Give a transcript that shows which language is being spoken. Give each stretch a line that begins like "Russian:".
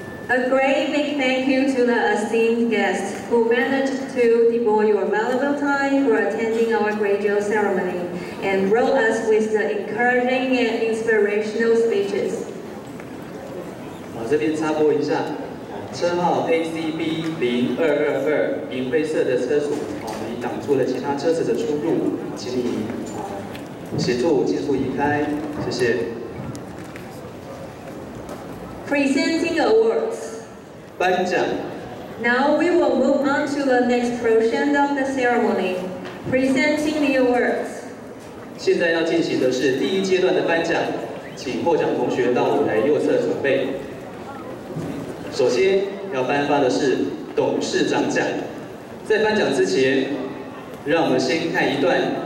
English: A great big thank you to the esteemed guests who managed to devote your valuable time for attending our graduation ceremony and wrote us with the encouraging and inspirational speeches.
Chinese: 这边插播一下，车号 ACB0222 银灰色的车主，你挡住了其他车子的出入，请你协助尽速移开，谢谢。
English: Presenting awards.
Chinese: 颁奖。
English: Now we will move on to the next portion of the ceremony. Presenting the awards.
Chinese: 现在要进行的是第一阶段的颁奖，请获奖同学到舞台右侧准备。首先要颁发的是董事长奖。在颁奖之前，让我们先看一段